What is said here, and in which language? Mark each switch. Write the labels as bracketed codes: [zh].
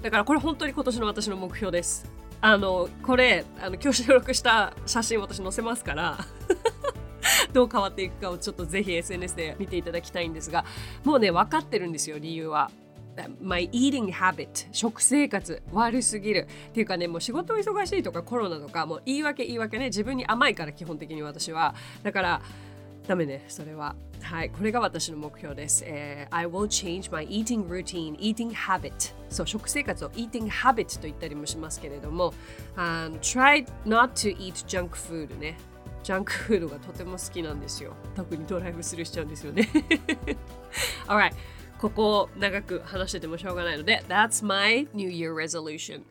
[ja] だからこれ本当に今年の私の目標です。これ今日収録した写真私載せますからどう変わっていくかをちょっとぜひ SNS で見ていただきたいんですが、もうね、分かってるんですよ、理由は。 [en] My eating habit、 [ja] 食生活悪すぎるっていうかね、もう仕事忙しいとかコロナとか、もう言い訳言い訳ね、自分に甘いから基本的に私は。だからダメね、それは。はい、これが私の目標です。 [en] I will change my eating routine, eating habit. [ja] そう、食生活を eating habit と言ったりもしますけれども、 [en] try not to eat junk food [ja] ね。ジャンクフードがとても好きなんですよ。特にドライブスルーしちゃうんですよね。 [en] All right. [ja] ここを長く話しててもしょうがないので、 [en] That's my New Year resolution.